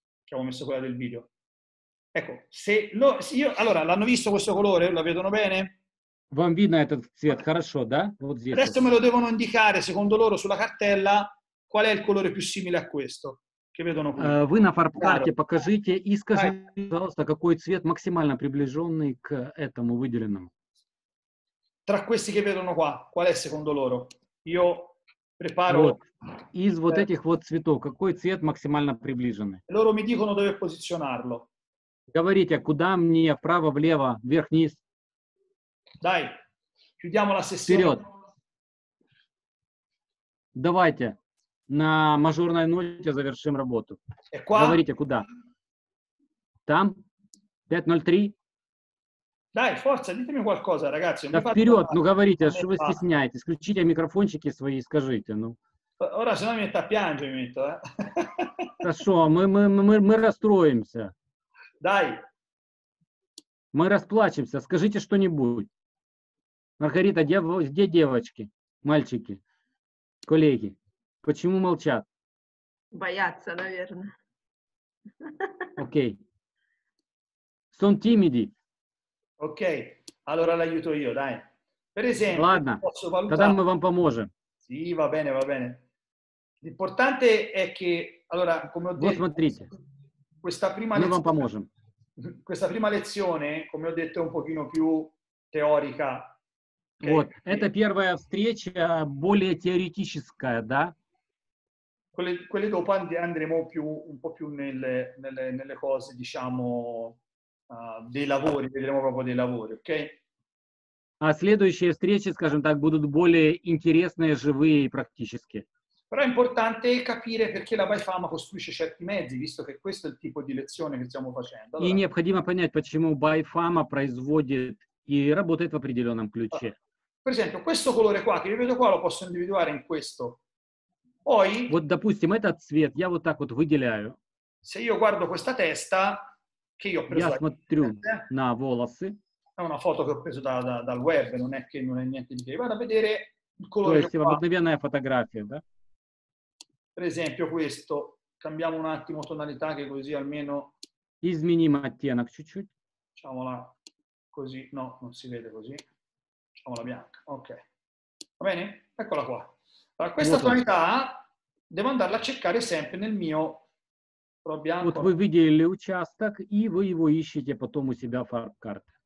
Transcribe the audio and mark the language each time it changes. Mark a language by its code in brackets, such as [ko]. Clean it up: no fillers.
[it] Ci avevo messo quella del video. Ecco, se lo, se io, allora, l'hanno visto questo colore? La vedono bene? [ru] Вам видно этот цвет хорошо, да? Вот здесь. [it] Adesso me lo devono indicare, secondo loro, sulla cartella, qual è il colore più simile a questo. Che vedono qui. [ru] Вы на фарпарте покажите и скажите, пожалуйста, какой цвет максимально приближенный к этому выделенному. [it] Tra questi che vedono qua, qual è secondo loro? Io preparo... [ru] Вот. Из вот этих вот цветов, какой цвет максимально приближенный? [it] Loro mi dicono dove posizionarlo. [ru] Говорите, куда мне, вправо, влево, вверх, вниз? [it] Dai, chiudiamo la sessione. [ru] Вперед. Давайте. На мажорной ноте завершим работу. [it] E qua? [ru] Говорите, куда? Там? 5.03? [it] Dai, forza, ditemi qualcosa, ragazzi. [ru] Да вперед, ну говорите, что вы стесняетесь. Включите микрофончики свои, скажите. Ну. [it] Ora, se no, mi metto a piangere, mi metto, eh? [ru] Хорошо, мы расстроимся. [it] Dai. [ru] Мы расплачемся, скажите что-нибудь. Маргарита, где девочки, мальчики, коллеги? Почему молчат? Боятся, наверное. Окей. [it] Okay. Son timidi. [ru] Окей. [it] Okay. Allora l'aiuto io, dai. Per esempio, [ru] ладно, [it] posso valutare... [ru] тогда мы вам поможем. [it] Sì, sí, va bene, va bene. L'importante è che... Allora, come ho detto, [ru] вот смотрите. [it] Questa prima [ru] мы лезь... вам поможем. [it] Questa prima lezione, come ho detto, è un pochino più teorica. Okay. [ru] Вот, это первая встреча, более теоретическая, да? [it] Quelle dopo andremo più, un po' più nelle cose, diciamo, dei lavori, vedremo proprio dei lavori, ok? [ru] А следующие встречи, скажем так, будут более интересные, живые и практические. [it] Però è importante capire perché la Bifama costruisce certi mezzi, visto che questo è il tipo di lezione che stiamo facendo. Allora... [ru] И необходимо понять, почему Bifama производит и работает в определенном ключе. [it] Per esempio, questo colore qua, che io vedo qua, lo posso individuare in questo. Poi, [ru] вот, допустим, этот цвет я вот так вот выделяю. [it] Se io guardo questa testa, che io ho preso [ru] я смотрю на волосы. [it] È una foto che ho preso dal web, non è che non è niente di che. Vado a vedere il colore qua. [ru] Обыкновенная фотография, да? [it] Per esempio questo. Cambiamo un attimo tonalità, che così almeno... [ru] Изменим оттенок чуть-чуть. [it] Facciamola così. No, non si vede così. La bianca, ok, va bene? Eccola qua. Allora, questa tonalità devo andarla a cercare sempre nel mio pro bianco. [ru] Вот вы видели участок и вы его ищете потом у себя в фарп-карт.